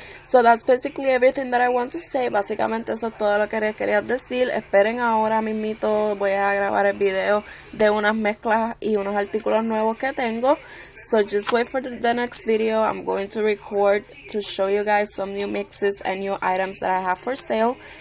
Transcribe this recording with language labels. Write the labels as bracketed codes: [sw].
[en] So that's basically everything that I want to say. [es] Básicamente eso es todo lo que quería decir. Esperen ahora mismito. Voy a grabar el video de unas mezclas y unos artículos nuevos que tengo. [en] So just wait for the next video. I'm going to record to show you guys some new mixes and new items that I have for sale.